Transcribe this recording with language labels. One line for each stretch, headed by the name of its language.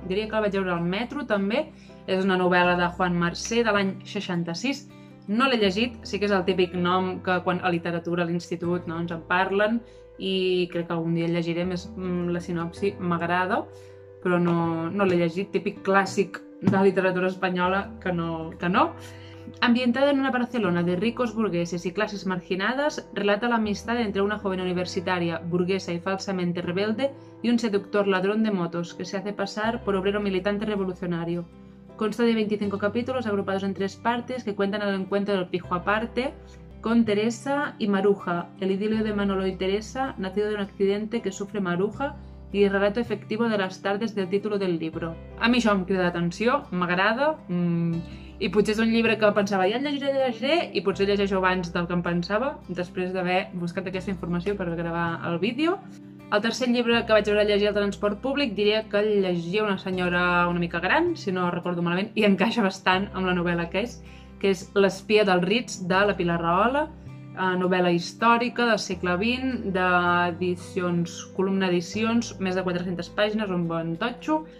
Catalan: Diria que el vaig veure al metro, també. És una novel·la de Juan Mercé, de l'any 66. No l'he llegit, sí que és el típic nom que quan a literatura, a l'institut, no, ens en parlen, i crec que algun dia el llegiré, més la sinopsi m'agrada, però no l'he llegit, típic clàssic de literatura espanyola, que no.
Spanish: Ambientada en una Barcelona de ricos burgueses y clases marginadas, relata la amistad entre una joven universitaria burguesa y falsamente rebelde y un seductor ladrón de motos que se hace pasar por obrero militante revolucionario. Consta de 25 capítulos agrupados en tres partes que cuentan el encuentro del pijo aparte con Teresa y Maruja, el idilio de Manolo y Teresa, nacido de un accidente que sufre Maruja, y el relato efectivo de las tardes del título del libro. A mí eso
Catalan: me crida l'atenció, m'agrada. I potser és un llibre que pensava, ja el llegiré, i potser llegeixo abans del que em pensava, després d'haver buscat aquesta informació per gravar el vídeo. El tercer llibre que vaig veure llegir al transport públic diria que el llegia una senyora una mica gran, si no recordo malament, i encaixa bastant amb la novel·la que és L'espia del Ritz, de la Pilar Rahola, novel·la històrica del segle XX, d'edicions, columna edicions, més de 400 pàgines, un bon totxo.